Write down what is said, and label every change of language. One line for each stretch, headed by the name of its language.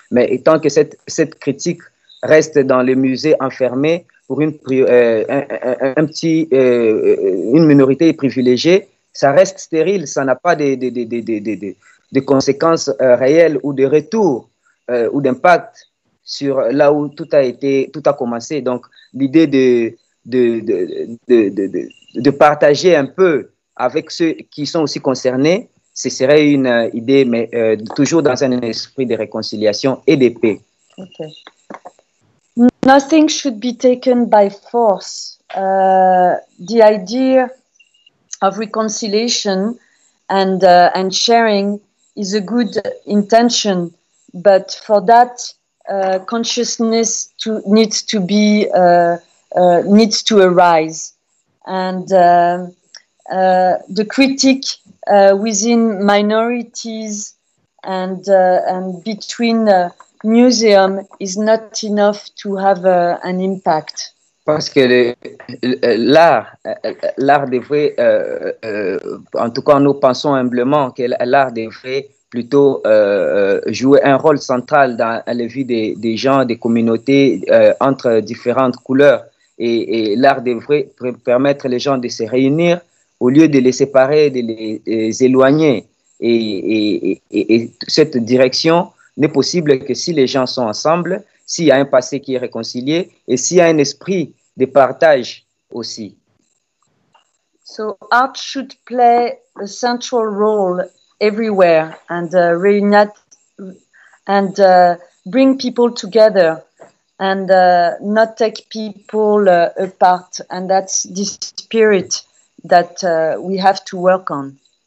French: Mais tant que cette critique reste dans les musées enfermés pour une minorité privilégiée, ça reste stérile, ça n'a pas de conséquences réelles ou de retour ou d'impact sur là où tout a commencé. Donc l'idée de partager un peu avec ceux qui sont aussi concernés, ce serait une idée, mais toujours dans un esprit de réconciliation et de paix.
English: Okay. Nothing should be taken by force. The idea of reconciliation and sharing is a good intention, but for that consciousness needs to arise, and the critique within minorities and between museum is not enough to have an impact.
French: Parce que l'art devrait, en tout cas nous pensons humblement que l'art devrait plutôt jouer un rôle central dans la vie des gens, des communautés entre différentes couleurs. Et l'art devrait permettre les gens de se réunir au lieu de les séparer, de les éloigner. Et cette direction n'est possible que si les gens sont ensemble, s'il y a un passé qui est réconcilié et s'il y a un esprit de partage aussi.
English: So art should play a central role everywhere and reunite and bring people together. And not take people apart, and that's this spirit that we have to work on.